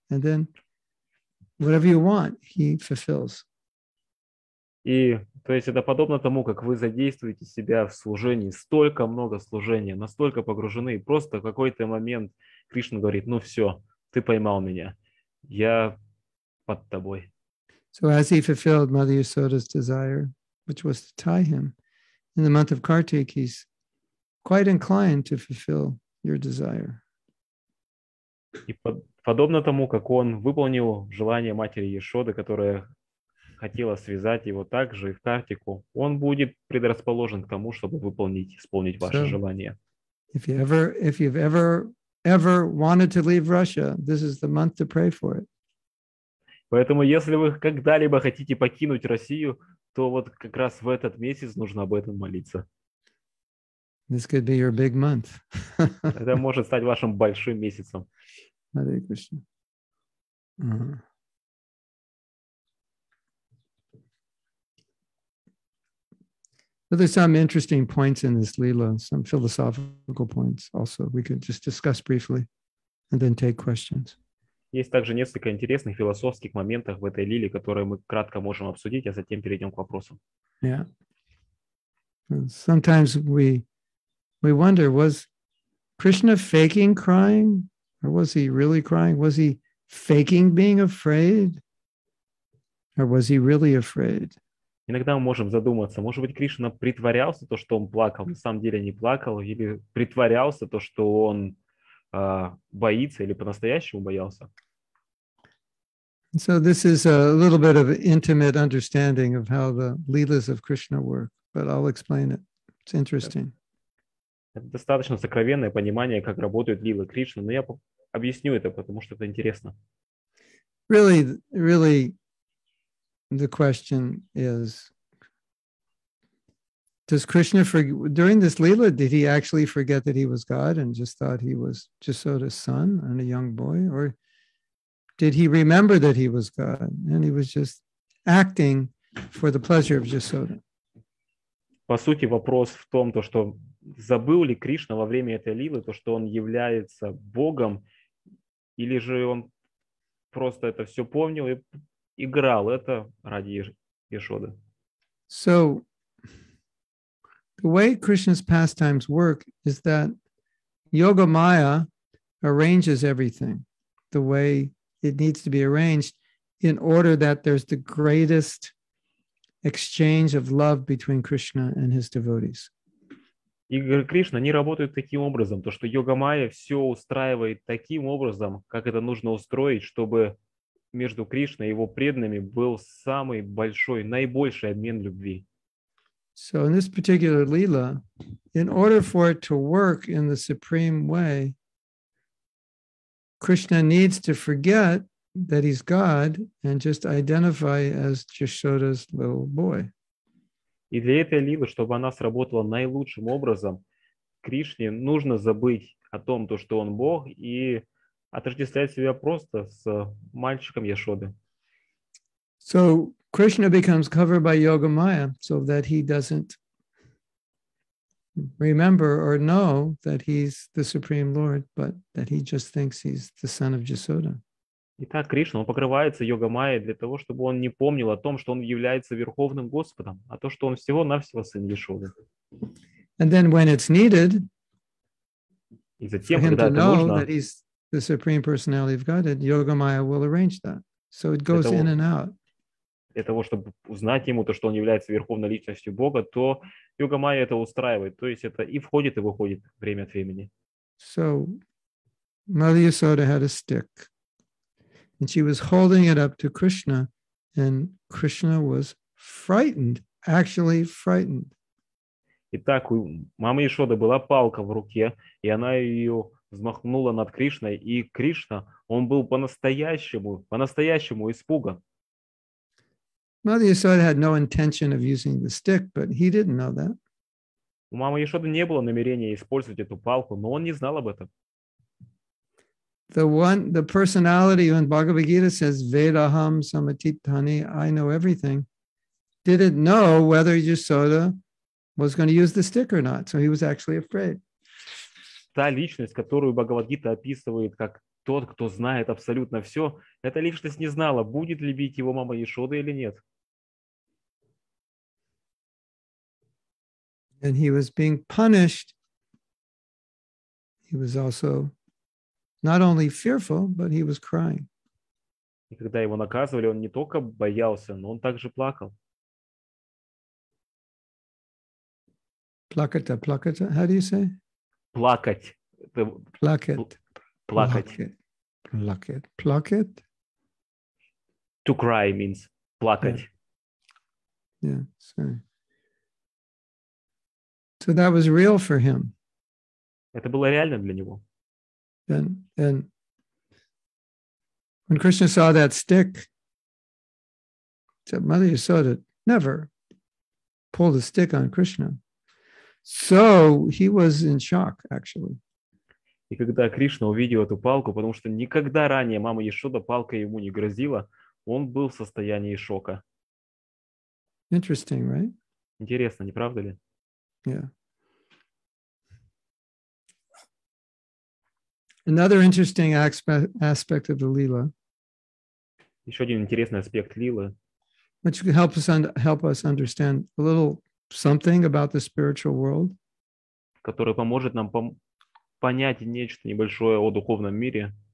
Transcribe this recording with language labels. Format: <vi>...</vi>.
<en>And then whatever you want, he fulfills.</en> <ru>И, то есть, это подобно тому, как вы задействуете себя в служении, столько много служения, настолько погружены, просто в какой-то момент Кришна говорит, ну все, ты поймал меня, я под тобой.</ru> <en>So as he fulfilled Mother Yasoda's desire, which was to tie him, in the month of Kartik, he's quite inclined to fulfill your desire.</en> <ru>И подобно тому, как он выполнил желание матери Яшоды, которая хотела связать его также и в Картику, он будет предрасположен к тому, чтобы выполнить, исполнить ваше желание.</ru> <en>If you've ever wanted to leave Russia, this is the month to pray for it.</en> <ru>Поэтому, если вы когда-либо хотите покинуть Россию, то вот как раз в этот месяц нужно об этом молиться.</ru> <en>This could be your big month.</en> <ru>Это может стать вашим большим месяцем.</ru> <en>Hare Krishna. But there's some interesting points in this lila, some philosophical points also. We could just discuss briefly and then take questions.</en> <ru>Есть также несколько интересных философских моментов в этой лиле, которые мы кратко можем обсудить, а затем перейдем к вопросам.</ru> <en>Yeah. And sometimes we wonder, was Krishna faking crying? Or was he really crying? Was he faking being afraid? Or was he really afraid?</en> <ru>Иногда мы можем задуматься, может быть, Кришна притворялся то, что он плакал, на самом деле не плакал, или притворялся то, что он боится, или по-настоящему боялся.</ru> <en>So this is a little bit of intimate understanding of how the lilas of Krishna work, but I'll explain it. It's interesting.</en> <ru>Это достаточно сокровенное понимание, как работают лилы Кришны, но я объясню это, потому что это интересно.</ru> <en>Really, really... The question is, does Krishna forget, during this lila, did he actually forget that he was God and just thought he was Yasoda's son and a young boy? Or did he remember that he was God and he was just acting for the pleasure of Yasoda?</en> <ru>По сути, вопрос в том, то, что забыл ли Кришна во время этой лилы то, что он является Богом, или же он просто это все помнил и играл это ради Яшоды.</ru> <en>So, the way Krishna's pastimes work is that Yoga Maya arranges everything the way it needs to be arranged in order that there's the greatest exchange of love between Krishna and his devotees.</en> <ru>И Кришна не работает таким образом, то что Йога Майя все устраивает таким образом, как это нужно устроить, чтобы между Кришной и его преданными был самый большой, наибольший обмен любви.</ru> <en>So in this particular lila, in order for it to work in the supreme way, Krishna needs to forget that he's God and just identify as Yashoda's little boy.</en> <ru>И для этой лилы, чтобы она сработала наилучшим образом, Кришне нужно забыть о том, то, что он Бог, и отождествлять себя просто с мальчиком Яшоды.</ru> <en>So Krishna becomes covered by Yoga Maya so that he doesn't remember or know that he's the Supreme Lord, but that he just thinks he's the son of Yashoda.</en> <ru>Итак, Кришна, он покрывается Йога Майя для того, чтобы он не помнил о том, что он является Верховным Господом, а то, что он всего-навсего сын Яшоды.</ru> <en>And then when it's needed,</en> <ru>и затем,</ru> <en>for him</en> <ru>когда</ru> <en>to</en> <ru>это</ru> <en>know</en> <ru>нужно,</ru> <en>that he's the Supreme Personality of God, that Yoga Maya will arrange that. So it goes in and out.</en> <ru>Для того, чтобы узнать ему то, что он является Верховной Личностью Бога, то Йога Майя это устраивает. То есть это и входит, и выходит время от времени.</ru> <en>So, Mother Yashoda had a stick. And she was holding it up to Krishna, and Krishna was frightened, actually frightened.</en> <ru>Итак, у мамы Яшоды была палка в руке, и она ее взмахнула над Кришной, и Кришна, он был по-настоящему испуган.</ru> <en>Mother Yashoda had no intention of using the stick, but he didn't know that.</en> <ru>У мамы Яшоды не было намерения использовать эту палку, но он не знал об этом.</ru> <en>The personality in Bhagavad Gita says</en> <sa>Vedaham Samatitani,</sa> <en>I know everything, didn't know whether Yashoda was going to use the stick or not. So he was actually afraid.</en> <ru>Та личность, которую Бхагавад Гита описывает как тот, кто знает абсолютно все, эта личность не знала, будет ли бить его мама Яшода или нет.</ru> <en>And he was being punished. He was also not only fearful, but he was crying.</en> <ru>И когда его наказывали, он не только боялся, но он также плакал. Плакать, плакать,</ru> <en>how do you say?</en> <ru>Плакать. Плакать. Плакать. Плакать. Плакать.</ru> <en>To cry means</en> <ru>плакать.</ru> <en>Yeah, sorry. So that was real for him.</en> <ru>Это было реально для него.</ru> <en>And when Krishna saw that stick, he said, Mother Yashoda never pulled a stick on Krishna. So he was in shock, actually.</en> <ru>И когда Кришна увидел эту палку, потому что никогда ранее мама Яшода палка ему не грозила, он был в состоянии шока.</ru> <en>Interesting, right?</en> <ru>Интересно, не правда ли?</ru> <en>Yeah. Another interesting aspect of the lila.</en> <ru>Еще один интересный аспект лилы.</ru> <en>Which can help us understand a little something about the spiritual world.</en> <ru>Который поможет нам понять нечто небольшое о духовном мире.</ru>